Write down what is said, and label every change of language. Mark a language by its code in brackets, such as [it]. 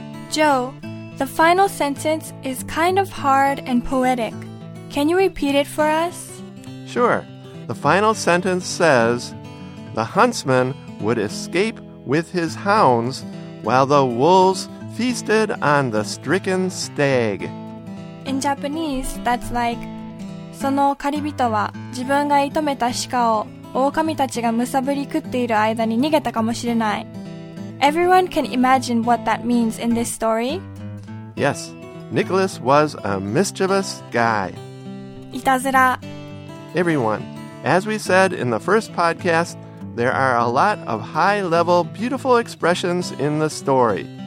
[en] Joe, the final sentence is kind of hard and poetic. Can you repeat it for us? Sure. The final sentence says, "The huntsman would escape with his hounds while the wolves feasted on the stricken stag." In Japanese, that's like, [ja] "その狩り人は自分が射止めた鹿を狼たちがむさぶり食っている間に逃げたかもしれない." [en] Everyone can imagine what that means in this story. Yes, Nicholas was a mischievous guy. [ja] いたずら. [en] Everyone, as we said in the first podcast, there are a lot of high-level, beautiful expressions in the story.